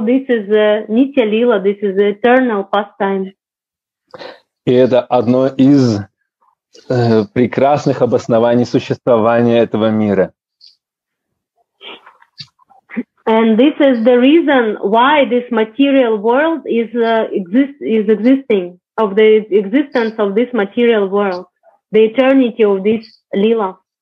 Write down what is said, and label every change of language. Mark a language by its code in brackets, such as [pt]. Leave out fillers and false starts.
[en] So this is Nitya Lila, this is the eternal pastime. [ru] И это одно из прекрасных обоснований существования этого мира. [en] And this is the reason why this material world is existing, of the existence of this material world, the eternity of this Lila.